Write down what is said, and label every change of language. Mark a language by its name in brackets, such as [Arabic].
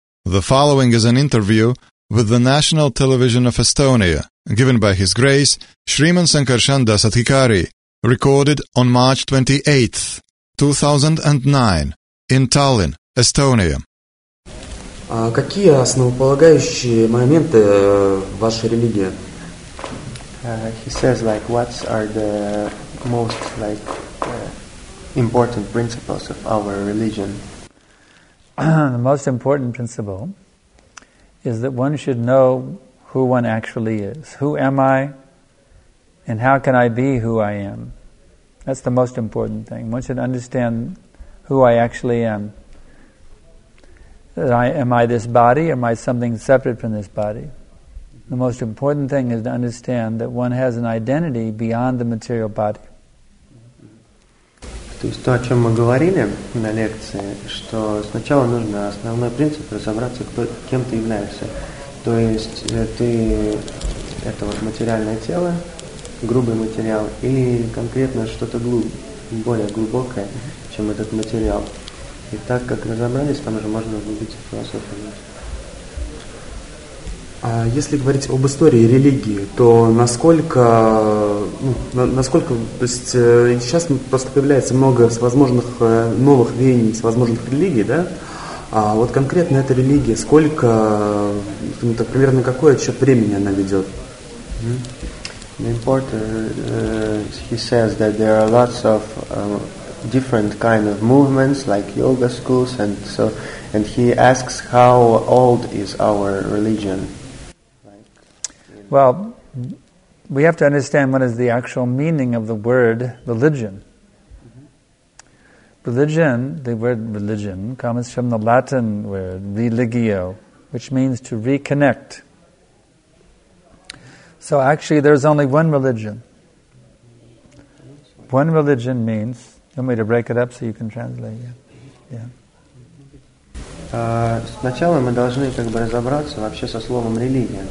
[English] The following is an interview with the National Television of Estonia, given by His Grace Sriman Sankarshan Dasadhikari, recorded on March 28, 2009, in Tallinn, Estonia. [Russian] Какие основополагающие моменты вашей религии? [English] He says, like, what are the most, like, important principles of our religion? The most important principle is that one should know who one actually is. Who am I, and how can I be who I am? That's the most important thing. One should understand who I actually am. Am I this body? Am I something separate from this body? The most important thing is to understand that one has an identity beyond the material body. [Russian] То есть то, о чем мы говорили на лекции, что сначала нужно основной принцип разобраться, кем ты являешься. То есть ты это вот материальное тело, грубый материал, или конкретно что-то более глубокое, чем этот материал. И так как разобрались, там уже можно углубиться в философию. А если говорить об истории религии, то насколько, то есть сейчас просто появляется много всевозможных новых веяний, всевозможных религий, да? А вот конкретно эта религия, сколько, примерно какой отсчет времени она ведет? [English] The important, he says that there are lots of different kind of movements, like yoga schools, and so, and he asks how old is our religion? Well, we have to understand what is the actual meaning of the word religion. Religion, the word religion, comes from the Latin word religio, which means to reconnect. So actually, there's only one religion. One religion means, you want me to break it up so you can translate? Yeah. [Russian] Сначала мы должны как бы разобраться вообще со словом религия.